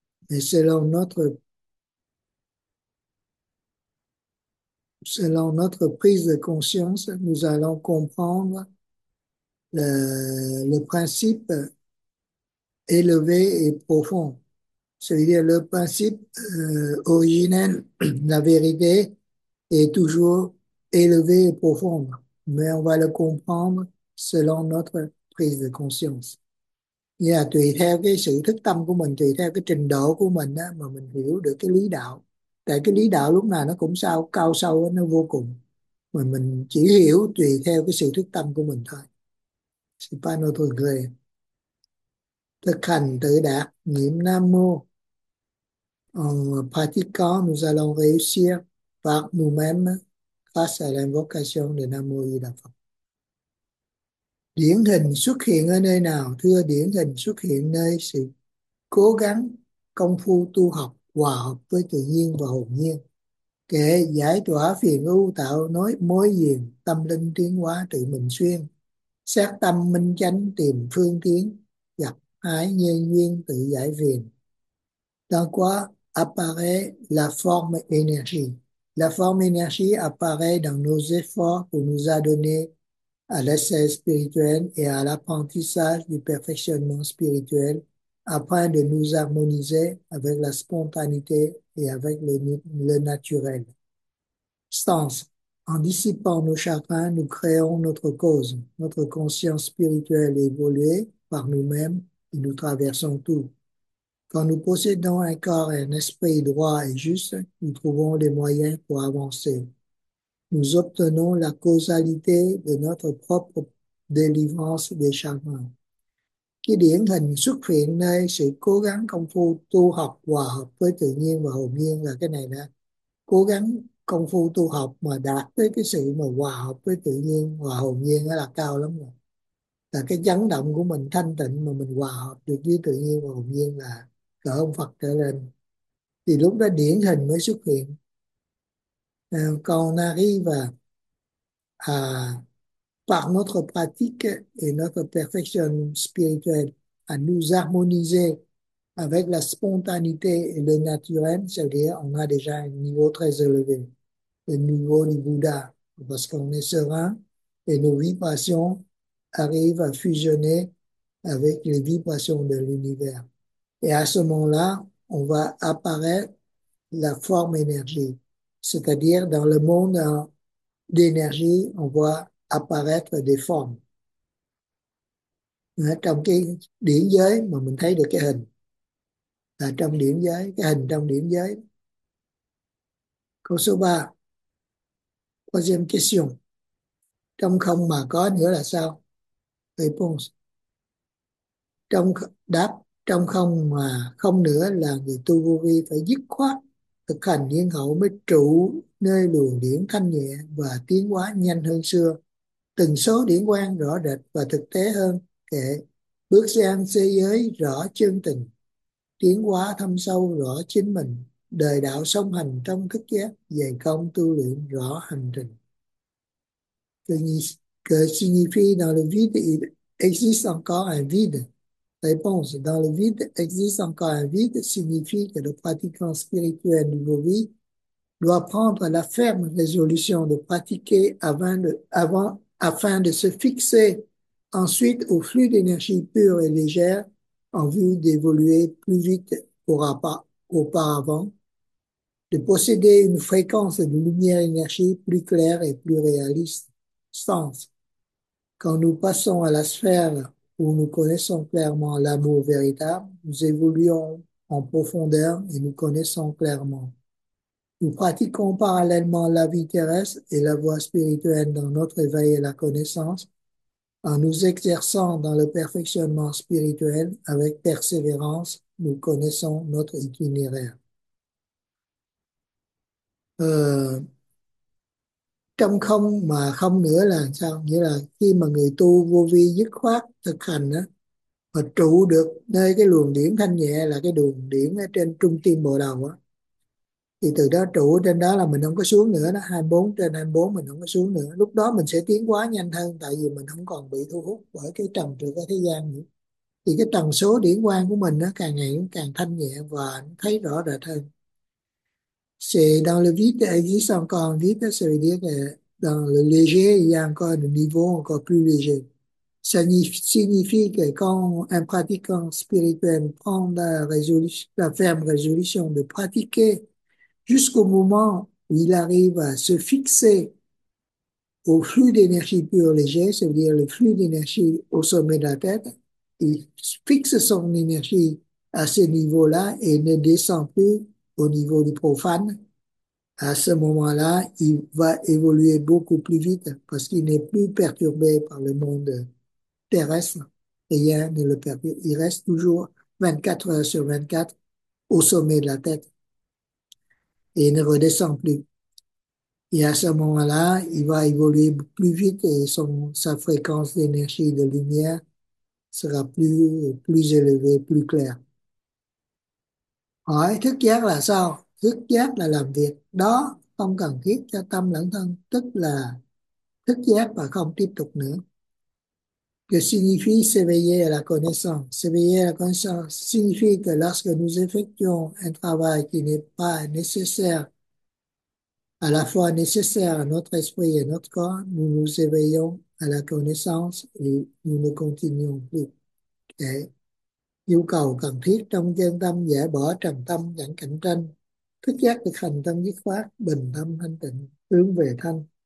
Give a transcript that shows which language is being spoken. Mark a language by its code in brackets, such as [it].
[fr] Mais selon notre prise de conscience, nous allons comprendre le principe élevé et profond. C'est-à-dire le principe originel, la vérité est toujours élevé et profond, mais on va le comprendre selon notre prise de conscience. Et à [vi] tùy theo cái sự thức tâm của mình, tùy theo cái trình độ của mình á, mà mình hiểu được cái lý đạo. Tại cái lý đạo lúc nào nó cũng sao cao sâu đó, nó vô cùng. Mà mình chỉ hiểu tùy theo cái sự thức tâm của mình thôi. Sự panel thuộc về thực hành tự đạt niệm Nam Mô. [fr] En pratiquant, nous allons réussir par nous-mêmes face à l'invocation de Nam Mô A Di Đà Phật. [vi] Điển hình xuất hiện ở nơi nào? Thưa, điển hình xuất hiện nơi sự cố gắng công phu tu học hòa hợp với tự nhiên và hồn nhiên. Kệ giải tỏa phiền ưu tạo nối mối duyên tâm linh tiến hóa tự mình xuyên. Xét tâm minh chánh tìm phương tiến gặp ái nhân duyên tự giải phiền. [fr] Dans quoi apparaît la forme énergie? La forme énergie apparaît dans nos efforts pour nous adonner à l'essai spirituel et à l'apprentissage du perfectionnement spirituel afin de nous harmoniser avec la spontanéité et avec le naturel. Stance. En dissipant nos chagrins, nous créons notre cause. Notre conscience spirituelle évolue par nous-mêmes et nous traversons tout. Quand nous possédons un corps et un esprit droit et juste, nous trouvons les moyens pour avancer. Nous obtenons la causalité de notre propre délivrance des chagrins. [vi] Cái điển hình xuất hiện nơi sự cố gắng công phu tu học hòa hợp với tự nhiên và hồn nhiên là cái này đó. Cố gắng công phu tu học mà đạt tới cái sự mà hòa hợp với tự nhiên và hồn nhiên đó là cao lắm rồi. Là cái chấn động của mình thanh tịnh mà mình hòa hợp được với tự nhiên và hồn nhiên là cỡ ông Phật trở lên, thì lúc đó điển hình mới xuất hiện. Còn Nari và [fr] par notre pratique et notre perfection spirituelle à nous harmoniser avec la spontanéité et le naturel, c'est-à-dire on a déjà un niveau très élevé, le niveau du Bouddha, parce qu'on est serein et nos vibrations arrivent à fusionner avec les vibrations de l'univers. Et à ce moment-là, on va apparaître la forme énergie. C'est-à-dire, dans le monde d'énergie, on voit apparaître des formes. [vi] Trong cái điển giới mà mình thấy được cái hình, là trong điển giới, cái hình trong điển giới. Câu số 3, [fr] troisième question, [vi] trong không mà có nữa là sao? [fr] Réponse, [vi] trong đáp, trong không mà không nữa là người tu vô vi phải dứt khoát thực hành nhiên hậu mới trụ nơi luồng điển thanh nhẹ và tiến hóa nhanh hơn xưa, từng số điển quang rõ rệt và thực tế hơn kệ, bước sang thế giới rõ chân tình, tiến hóa thâm sâu rõ chính mình, đời đạo song hành trong thức giác, dày công tu luyện rõ hành trình. [fr] Que signifie dans le vide existe encore un vide? Réponse, dans le vide existe encore un vide, signifie que le pratiquant spirituel de vos vies doit prendre la ferme résolution de pratiquer afin de se fixer ensuite au flux d'énergie pure et légère en vue d'évoluer plus vite qu'auparavant, de posséder une fréquence de lumière énergie plus claire et plus réaliste. Sens. Quand nous passons à la sphère où nous connaissons clairement l'amour véritable, nous évoluons en profondeur et nous connaissons clairement. Nous pratiquons parallèlement la vie terrestre et la voie spirituelle dans notre éveil et la connaissance, en nous exerçant dans le perfectionnement spirituel avec persévérance, nous connaissons notre itinéraire. [vi] Trong không mà không nữa là sao? Nghĩa là khi mà người tu vô vi dứt khoát thực hành đó, và trụ được nơi cái luồng điển thanh nhẹ là cái luồng điển ở trên trung tim bồ đào đó, thì từ đó trụ trên đó là mình không có xuống nữa, nó 24 trên 24 mình không có xuống nữa. Lúc đó mình sẽ tiến hóa nhanh hơn, tại vì mình không còn bị thu hút bởi cái trần trụi cái thế gian nữa. Thì cái tần số điển quang của mình nó càng ngày cũng càng thanh nhẹ và thấy rõ rệt hơn. [fr] C'est dans le vide, il existe encore un vide, ça veut dire que dans le léger, il y a encore un niveau encore plus léger. Ça signifie que quand un pratiquant spirituel prend la ferme résolution de pratiquer jusqu'au moment où il arrive à se fixer au flux d'énergie pure léger, c'est-à-dire le flux d'énergie au sommet de la tête, il fixe son énergie à ce niveau-là et ne descend plus au niveau du profane, à ce moment-là, il va évoluer beaucoup plus vite parce qu'il n'est plus perturbé par le monde terrestre. Rien ne le perturbe. Il reste toujours 24 heures sur 24 au sommet de la tête et il ne redescend plus. Et à ce moment-là, il va évoluer plus vite et sa fréquence d'énergie de lumière sera plus élevée, plus claire. [vi] Hỏi thức giác là sao? Thức giác là làm việc đó không cần thiết cho tâm lẫn thân, tức là thức giác và không tiếp tục nữa. [fr] Que signifie s'éveiller à la connaissance? S'éveiller à la connaissance signifie que lorsque nous effectuons un travail qui n'est pas nécessaire, à la fois nécessaire à notre esprit et à notre corps, nous nous éveillons à la connaissance et nous ne continuons plus. [en] Okay. [vi] Yêu cầu cần thiết trong chân tâm dễ bỏ trần tâm chẳng cạnh tranh, thức giác được hành tâm dứt khoát, bình tâm thanh tịnh, hướng về thanh.